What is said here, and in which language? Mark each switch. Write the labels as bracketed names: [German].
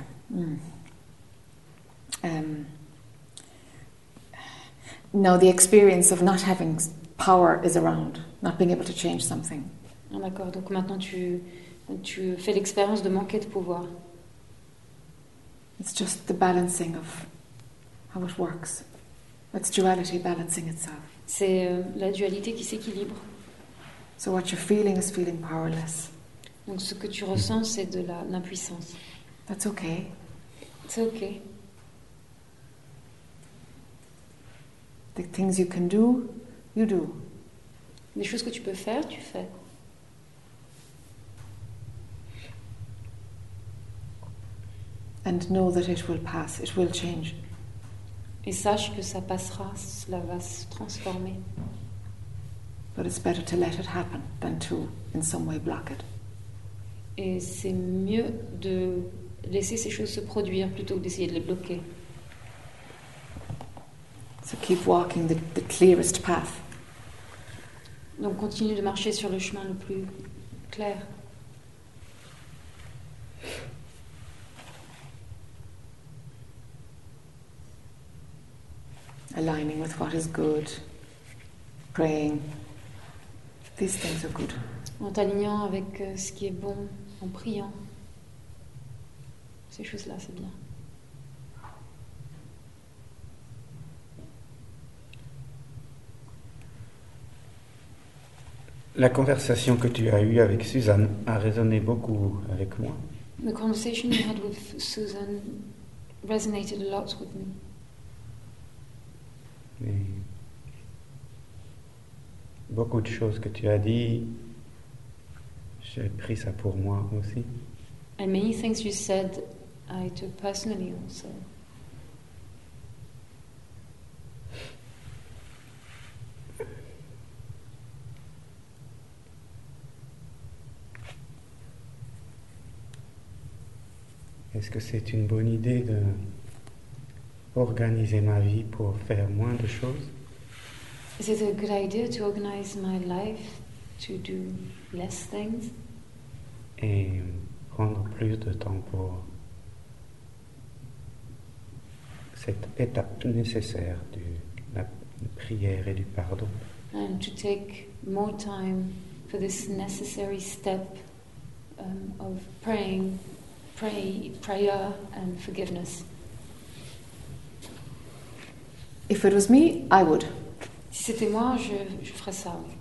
[English] Now the experience of not having power is around, not being able to change something. [French] Ah, d'accord, donc maintenant tu fais l'expérience de manquer de pouvoir. [English] It's just the balancing of how it works. It's duality balancing itself. [French] C'est la dualité qui s'équilibre. [English] So what you're feeling is feeling powerless. [French] Donc ce que tu ressens, c'est de l'impuissance. [English] That's okay. It's okay. The things you can do, you do. [French] Les choses que tu peux faire, tu fais. [English] And know that it will pass, it will change. [French] Et sache que ça passera, cela va se transformer. [English] But it's better to let it happen than to, in some way, block it. [French] Et c'est mieux de laisser ces choses se produire plutôt que d'essayer de les bloquer. [English] So keep walking the clearest path. [French] Donc continue de marcher sur le chemin le plus clair. [English] Aligning with what is good, praying. These things are good. [French] En t'alignant avec ce qui est bon, en priant. Ces choses-là, c'est bien. La conversation que tu as eue avec Suzanne a résonné beaucoup avec moi. [English] The conversation you had with Susan resonated a lot with me. [French] Et beaucoup de choses que tu as dit, j'ai pris ça pour moi aussi. [English] And many things you said, I took personally also. [French] Est-ce que c'est une bonne idée de organiser ma vie pour faire moins de choses? [English] Is it a good idea to organize my life to do less things? [French] Et prendre plus de temps pour cette étape nécessaire de la prière et du pardon. [English] And to take more time for this necessary step of praying. Prayer and forgiveness. If it was me, I would. [French] Si c'était moi, je ferais ça.